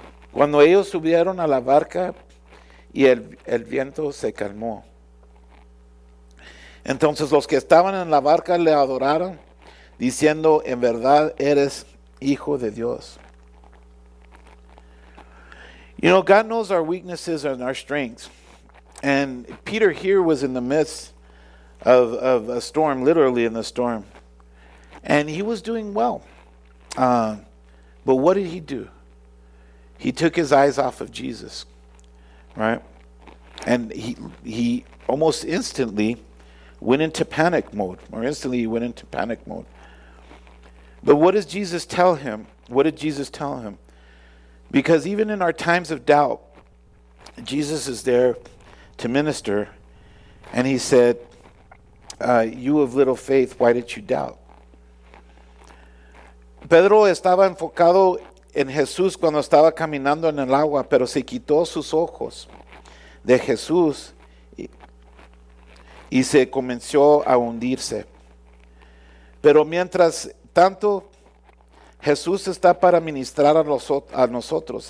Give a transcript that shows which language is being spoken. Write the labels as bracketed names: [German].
[Spanish] Cuando ellos subieron a la barca y el viento se calmó. Entonces los que estaban en la barca le adoraron, diciendo: en verdad eres hijo de Dios. [English] You know, God knows our weaknesses and our strengths. And Peter here was in the midst of a storm, literally in the storm. And he was doing well. But what did he do? He took his eyes off of Jesus, right? And he almost instantly went into panic mode, or instantly he went into panic mode. But what does Jesus tell him? What did Jesus tell him? Because even in our times of doubt, Jesus is there to minister. And he said, you of little faith, why did you doubt? [Spanish] Pedro estaba enfocado en Jesús cuando estaba caminando en el agua, pero se quitó sus ojos de Jesús y se comenzó a hundirse. Pero mientras tanto, Jesús está para ministrar a nosotros.